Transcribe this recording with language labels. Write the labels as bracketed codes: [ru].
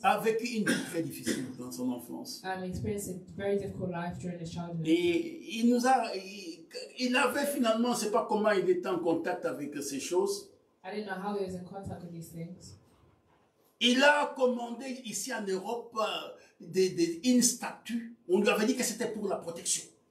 [fr] a vécu une vie très difficile dans son enfance. Et il nous a, il avait finalement, je ne sais pas comment il était en contact avec ces choses. [en] I didn't know how he was in contact with these things. [fr] Il a commandé ici en Europe une statue. On lui avait dit que c'était pour la protection.